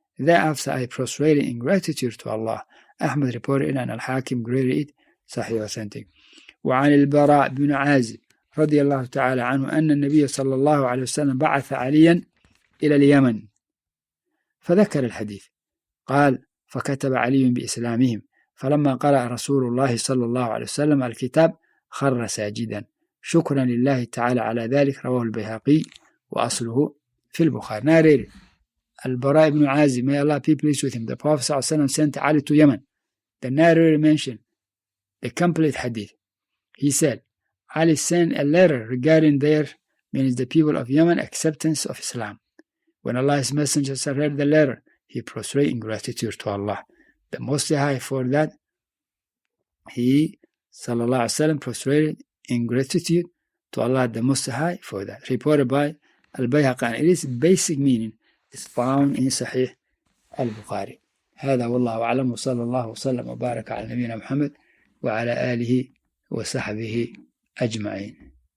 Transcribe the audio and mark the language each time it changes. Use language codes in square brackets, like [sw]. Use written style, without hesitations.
[en] Thereafter I prostrated in gratitude to Allah. Ahmed reported it and Al-Hakim greeted it sahih authentic. [ar] وعن البراء بن عازب رضي الله تعالى عنه أن النبي صلى الله عليه وسلم بعث عليا إلى اليمن فذكر الحديث قال فكتب علي بإسلامهم فلما قرأ رسول الله صلى الله عليه وسلم الكتاب خر ساجدا شكرا لله تعالى على ذلك رواه البيهقي وأصله في البخاري. [en] نارير البراء بن عازب may Allah be pleased with him, the Prophet صلى الله عليه وسلم sent Ali to Yemen. The narrator mentioned the complete hadith. He said, Ali sent a letter regarding their, meaning the people of Yemen, acceptance of Islam. When Allah's messengers read the letter, he prostrated in gratitude to Allah, the Most High, for that. He, sallallahu alaihi wasallam, prostrated in gratitude to Allah, the Most High, for that. Reported by Al-Bayhaqi. And its basic meaning is found in Sahih Al-Bukhari. [ar] هذا والله أعلم وصلى الله وسلم وبارك على نبينا محمد وعلى آله وصحبه أجمعين.